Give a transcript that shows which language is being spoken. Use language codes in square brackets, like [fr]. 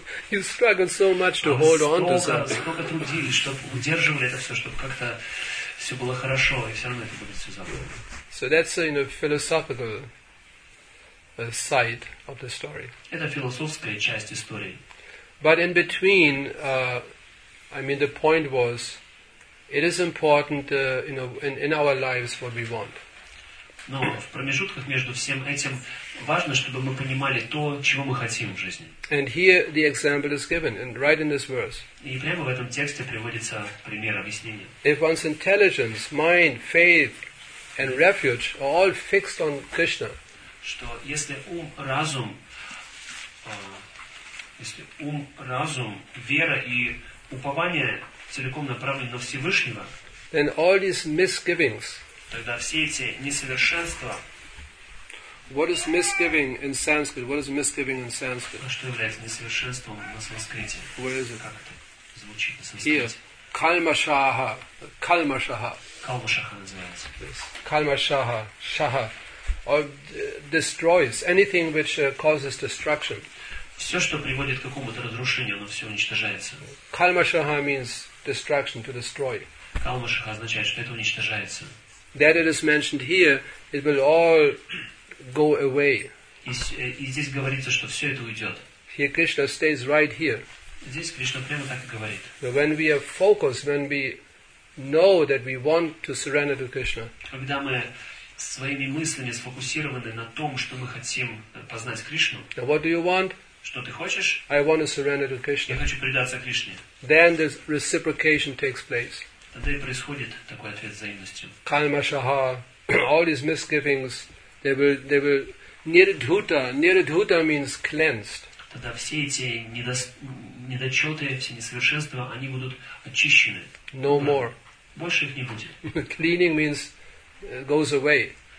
[en] You struggled so much to hold on to something. [ru] Столько трудились, чтобы удерживали это все, чтобы как-то все было хорошо, и все равно это будет все забрано. [en] So that's, you know, philosophical. A side of the story. [ru] Это философская часть истории. [en] But in between, I mean, the point was, it is important, you know, in our lives what we want. [ru] Но в промежутках между всем этим важно, чтобы мы понимали то, чего мы хотим в жизни. [en] And here the example is given, and right in this verse. [ru] И прямо в этом тексте приводится пример объяснения. [en] If one's intelligence, mind, faith, and refuge are all fixed on Krishna. [ru] Что если ум, разум, вера и упование целиком направлены на Всевышнего, [en] then all these misgivings, [ru] тогда все эти несовершенства. [en] What is misgiving in Sanskrit? What is misgiving in Sanskrit? [ru] А что является несовершенством на санскрите? [en] Where is it? [ru] Как это звучит на санскрите? [en] Here. Калмашаха. Калмашаха. [ru] Калмашаха называется. [en] Yes. Калмашаха. Шаха. Or destroys anything which causes destruction. [ru] Все, что приводит к какому-то разрушению, оно все уничтожается. [en] Калмашаха means destruction, to destroy. [ru] Калмашаха означает, что это уничтожается. [en] That it is mentioned here, it will all go away. [ru] И здесь говорится, что все это уйдет. [en] Here Krishna stays right here. [ru] Здесь Кришна прямо так и говорит. [en] But when we are focused, when we know that we want to surrender to Krishna. [ru] Когда мы своими мыслями сфокусированы на том, что мы хотим познать Кришну. [en] Now, what do you want? [ru] Что ты хочешь? [en] I want to surrender to Krishna. [ru] Я хочу предаться Кришне. [en] Then the reciprocation takes place. [ru] Тогда и происходит такой ответ взаимностью. [en] Калмашаха, all these misgivings, they will Nirdhuta. Nirdhuta means cleansed. [ru] Тогда все эти недочеты, все несовершенства, они будут очищены. [en] No more. [ru] Больше их не будет. [en] Cleaning means goes away.